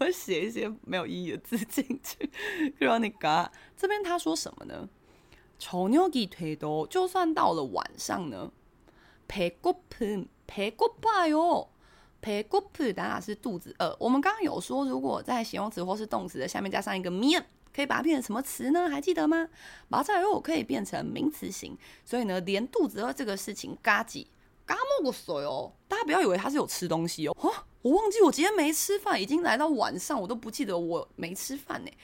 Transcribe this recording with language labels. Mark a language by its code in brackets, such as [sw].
[zh] 这后面感觉就是，你知道，为了你知道，有时候我们写歌的时候，歌词为了凑字数，就会写一些没有意义的字进去。 [ko] 그러니까 [zh] 这边他说什么呢？ [ko] 저녁이 돼도, [zh] 就算到了晚上呢， [ko] 배고픔, 배고파요. 배고프다 [zh] 是肚子饿。我们刚刚有说，如果在形容词或是动词的下面加上一个面， 可以把它变成什么词呢？还记得吗？ [ko] 맞아요， [zh] 可以变成名词形。所以呢， 连肚子饿这个事情， [ko] 까지 까먹었어요。 [zh] 大家不要以为它是有吃东西哦。我忘记我今天没吃饭， 已经来到晚上， 我都不记得我没吃饭耶。